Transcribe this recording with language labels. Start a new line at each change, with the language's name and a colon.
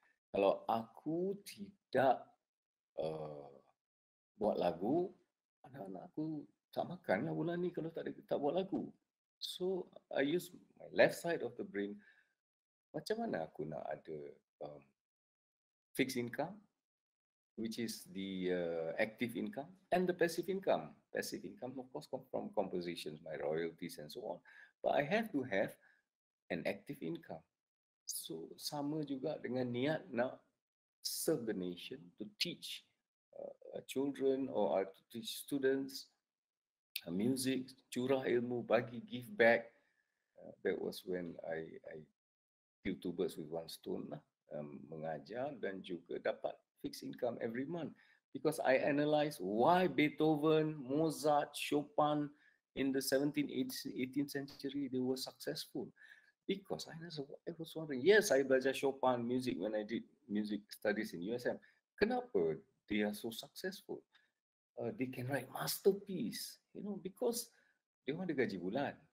Malay: Kalau aku tidak buat lagu, anak-anak aku tak makan lah bulan ni kalau tak buat lagu.
English: So, I use my left side of the brain.
Malay: Macam mana aku nak ada
English: fixed income, which is the active income, and the passive income. Passive income, of course, come from compositions, my royalties and so on. But I have to have an active income. So,
Malay: sama juga dengan niat nak
English: serve the nation, to teach children or to teach students music,
Malay: curah ilmu, bagi,
English: give back. That was when I kill two birds with one stone lah.
Malay: Mengajar dan juga dapat
English: fixed income every month. Because I analyze why Beethoven, Mozart, Chopin in the 18th century, they were successful. Because I was wondering, yes, I belajar Chopin music when I did music studies in USM. Kenapa they are so successful? They can write masterpiece, you know, because they want the
Malay: gaji bulan.